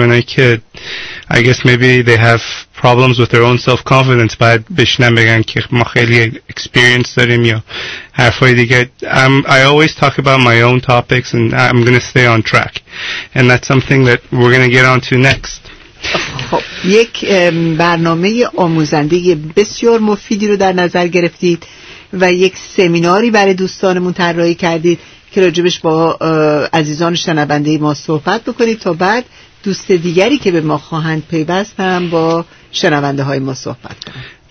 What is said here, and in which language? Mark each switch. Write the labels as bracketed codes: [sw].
[en] And I guess maybe they have problems with their own self-confidence. [fa] باید بشنم بگن که ما خیلی اکسپیرینس داریم یا حرفای دیگه. [en] I always talk about my own topics and I'm going to stay on track. And that's something that we're going to get on to next. [fa] خب یک برنامه آموزنده بسیار مفیدی رو در نظر گرفتید و یک سمیناری برای دوستانمون طراحی کردید که راجبش با عزیزان شنونده ما صحبت بکنید تا بعد دوست دیگری که به ما خواهند پیوست هم با شنونده های ما صحبت کنند.